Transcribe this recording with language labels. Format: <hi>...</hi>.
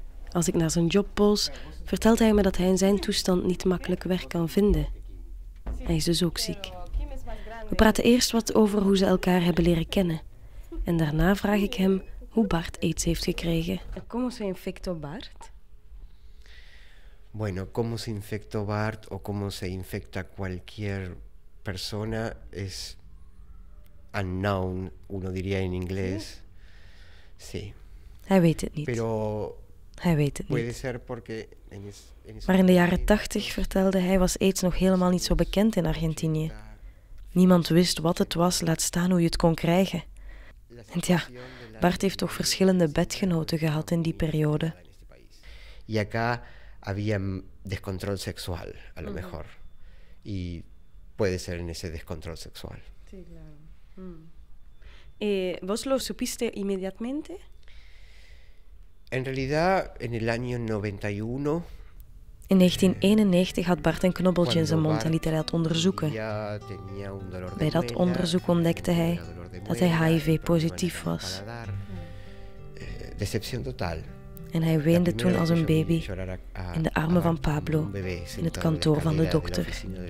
<nl>Als ik naar zijn job post, vertelt hij me dat hij in zijn toestand niet makkelijk werk kan vinden. Hij is dus ook ziek. We praten eerst wat over hoe ze elkaar hebben leren kennen. En daarna vraag ik hem hoe Bart aids heeft gekregen.</nl> <es>Cómo se infectó Bart? Bueno, cómo se infectó Bart o cómo se infecta cualquier persona es unknown, uno diría en inglés. Sí.</es> <nl>Hij weet het niet.</nl> <es>Pero</es> <nl>hij weet het</nl> <es>puede</es> <nl>niet.</nl> <es>Ser porque</es> <nl>Maar in de jaren 80 vertelde hij was aids nog helemaal niet zo bekend in Argentinië. Niemand wist wat het was, laat staan hoe je het kon krijgen. En ja, Bart heeft toch verschillende bedgenoten gehad in die periode.</nl> <es>Y acá había descontrol sexual, a lo mejor. Y puede ser en ese descontrol sexual. ¿Vos lo supiste inmediatamente? En realidad, en el año 91.</es> <nl>In 1991 had Bart een knobbeltje in zijn mond en liet hij dat onderzoeken. Bij dat onderzoek ontdekte hij dat hij HIV-positief was.</nl> <es>Decepción total.</es> <nl>En hij weende toen als een baby in de armen van Pablo in het kantoor van de dokter.</nl>